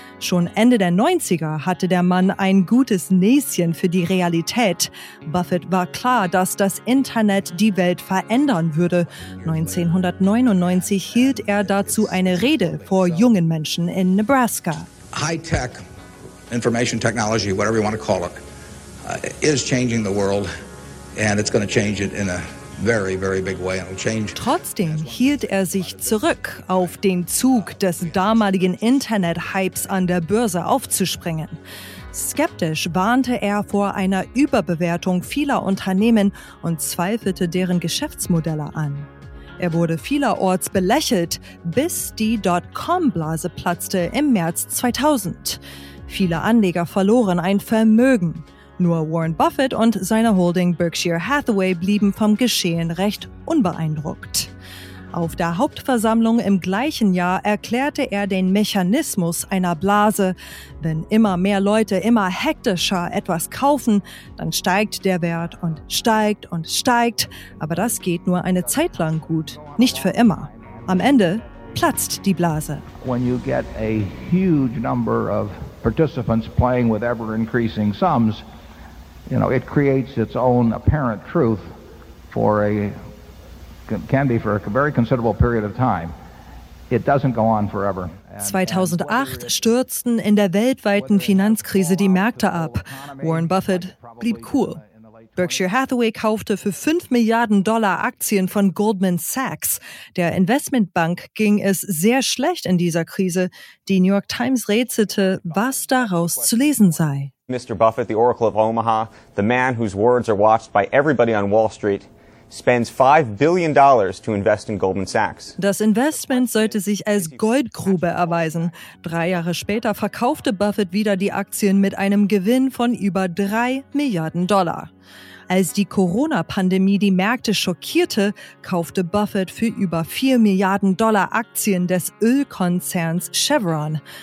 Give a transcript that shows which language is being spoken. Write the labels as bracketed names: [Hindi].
[German] Schon Ende der 90er hatte der Mann ein gutes Näschen für die Realität. Buffett war klar, dass das Internet die Welt verändern würde. 1999 hielt er dazu eine Rede vor jungen Menschen in Nebraska. [English] High-tech, information technology, whatever you want to call it, is changing the world, and it's going to change it in a very, very big way. It'll change. [German] Trotzdem hielt er sich zurück, auf den Zug des damaligen Internet-Hypes an der Börse aufzuspringen. Skeptisch warnte er vor einer Überbewertung vieler Unternehmen und zweifelte deren Geschäftsmodelle an. Er wurde vielerorts belächelt, bis die Dotcom-Blase platzte im März 2000. Viele Anleger verloren ein Vermögen. Nur Warren Buffett und seine Holding Berkshire Hathaway blieben vom Geschehen recht unbeeindruckt. Auf der Hauptversammlung im gleichen Jahr erklärte er den Mechanismus einer Blase. Wenn immer mehr Leute immer hektischer etwas kaufen, dann steigt der Wert und steigt und steigt. Aber das geht nur eine Zeit lang gut, nicht für immer. Am Ende platzt die Blase. [English] When you get a huge number of participants playing with ever increasing sums, you know, it creates its own apparent truth for a can be for a very considerable period of time. It doesn't go on forever. [German] 2008 stürzten in der weltweiten Finanzkrise die Märkte ab. Warren Buffett blieb cool. Berkshire Hathaway kaufte für 5 Milliarden Dollar Aktien von Goldman Sachs. Der Investmentbank ging es sehr schlecht in dieser Krise. Die New York Times rätselte, was daraus zu lesen sei. [English] Mr. Buffett, the Oracle of Omaha, the man whose words are watched by everybody on Wall Street, spends $5 billion to invest in Goldman Sachs. [German] Das Investment sollte sich als Goldgrube erweisen. Drei Jahre später verkaufte Buffett wieder die Aktien mit einem Gewinn von über 3 Milliarden Dollar. Als die Corona-Pandemie die Märkte schockierte, kaufte Buffett für über 4 Milliarden Dollar Aktien des Ölkonzerns Chevron.